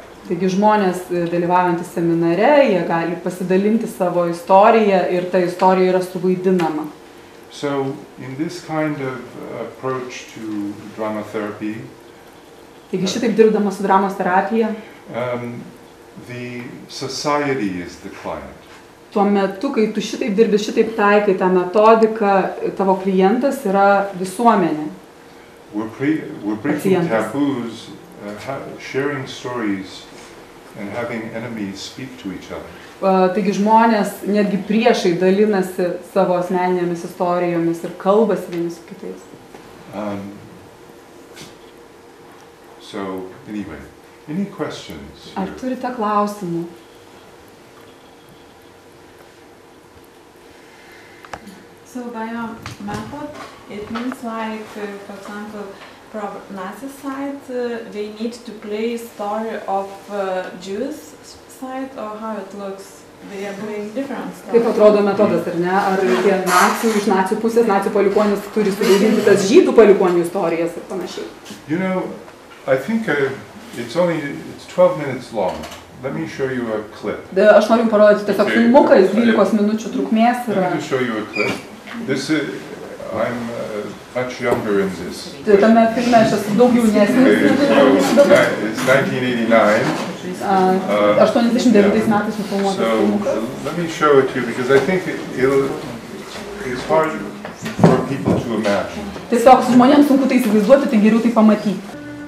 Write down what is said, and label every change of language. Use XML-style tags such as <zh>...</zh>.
<lt>Taigi žmonės dalyvaujantys seminare, jie gali pasidalinti savo istoriją ir ta istorija yra suvaidinama.</lt> <en>So, in this kind of approach to drama therapy,</en> <lt>taigi šitaip dirbdama su dramos terapija,</lt> <en>the society is the client.</en> <lt>Tuo metu, kai tu šitaip dirbi, šitaip taikai tą metodiką, tavo klientas yra visuomenė.</lt> <en>We're breaking taboos, sharing stories and having enemies speak to each other.</en> <lt>Taigi žmonės, netgi priešai, dalinasi savo asmeninėmis istorijomis ir kalbasi vieni su kitais.</lt> <en>So, anyway. Any questions?</en> <lt>Ar turite klausimų?</lt> <en>So by our method, it means like, for example, from Nazi side, they need to play story of Jews side, or how it looks? They are playing different stories.</en> <lt>Kaip atrodo metodas, ar ne? Ar tie nacių, iš nacių pusės, nacių palikuonis turi suvaidinti tas žydų palikuonių istorijas ir panašiai?</lt> <en>You know, I think It's 12 minutes long. Let me show you a clip.</en> <lt>Aš noriu parodyti tiesiog filmuką, 12 minučių trukmės yra.</lt> <en>Let me show you a clip. This is, I'm much younger in this.</en> <lt>Tame filme aš esu daug jaunesnis.</lt> <en>It's 1989.</en> <lt>89 metais nufilmuotas.</lt> <en>So let me show it to you because I think it's hard for people to imagine.</en> <lt>Tiesiog su žmonėms sunku tai įsivaizduoti, tai geriau tai pamatyti.</lt>